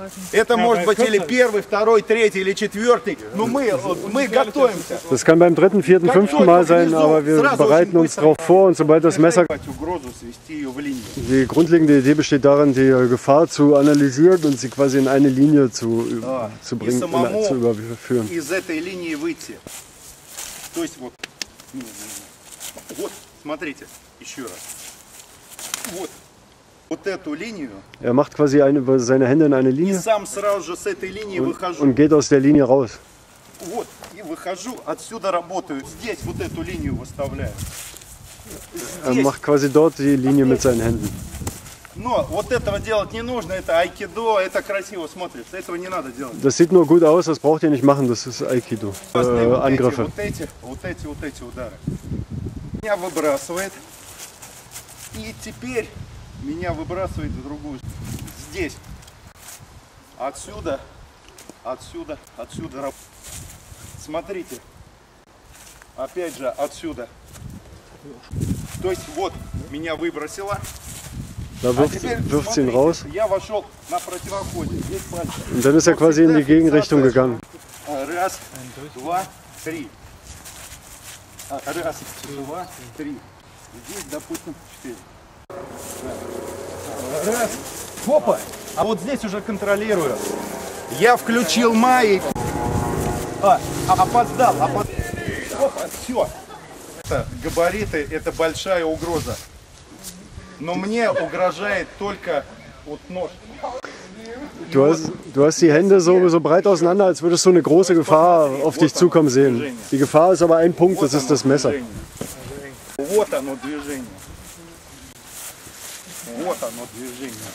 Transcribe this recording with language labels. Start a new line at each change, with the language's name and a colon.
Russian: Это может быть или первый, второй, третий или четвертый, но мы готовимся.
German: Das kann beim dritten, vierten, fünften Mal sein, aber wir bereiten uns darauf vor und sobald das Messer. Die grundlegende Idee besteht darin, die Gefahr zu analysieren und sie quasi in eine Linie zu bringen, zu überführen.
Russian: Из этой линии выйти. То есть вот смотрите еще раз. Вот. Вот эту линию.
German: Er macht quasi seine Hände in eine Linie.
Russian: И сам сразу же с этой линии выхожу.
German: Und geht aus der Linie raus.
Russian: Вот, и выхожу, отсюда работаю. Здесь вот эту линию выставляю.
German: Er macht quasi dort die Linie mit seinen Händen.
Russian: Но вот этого делать не нужно, это айкидо, это красиво смотрится. Этого не надо делать.
German: Das sieht nur gut aus, das braucht ihr nicht machen, das ist Aikido. Angriffe.
Russian: Вот эти удары. Меня выбрасывает. И теперь меня выбрасывает в другую. Здесь. Отсюда. Смотрите. Опять же, отсюда. То есть вот меня выбросило.
German: Da wirft ihn raus.
Russian: Я вошел на противоходе. Здесь пальцы.
German: Und dann ist quasi in die Gegenrichtung gegangen.
Russian: Раз, два, три. Раз, два, три. Здесь, допустим, четыре. Раз. Опа! А вот здесь уже контролирую. Я включил май. Опоздал. Опа, все. Это габариты, это большая угроза. Но мне угрожает только вот нож.
German: Du hast die Hände so breit auseinander, als würdest du eine große Gefahr auf dich zukommen sehen. Die Gefahr ist aber ein Punkt, das ist das Messer.
Russian: Вот оно движение. Вот оно движение.